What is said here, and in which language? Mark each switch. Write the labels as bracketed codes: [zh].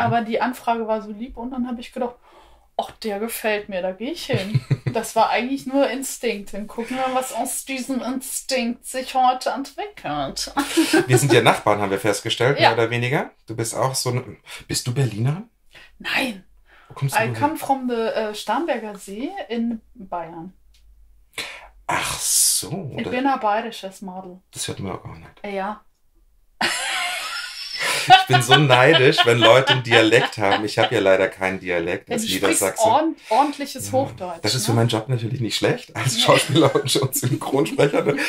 [de] Aber die Anfrage war so lieb und dann habe ich gedacht, ach, der gefällt mir, da gehe ich hin. Das war eigentlich nur Instinkt. Dann gucken wir, was aus diesem Instinkt sich heute entwickelt. Wir sind ja Nachbarn, haben wir festgestellt, ja. Mehr oder weniger. Du bist auch so ein... Bist du Berliner? Nein. Wo kommst du her? [en] I come from the Starnberger See in Bayern. [de] Ach so. Ich bin ein bayerisches Model. Das hört man auch gar nicht. Ja. Ich bin so neidisch, wenn Leute einen Dialekt haben. Ich habe ja leider keinen Dialekt als Niedersachse. Ordentliches Hochdeutsch. Das ist für meinen Job natürlich nicht schlecht, als Schauspieler und Synchronsprecher.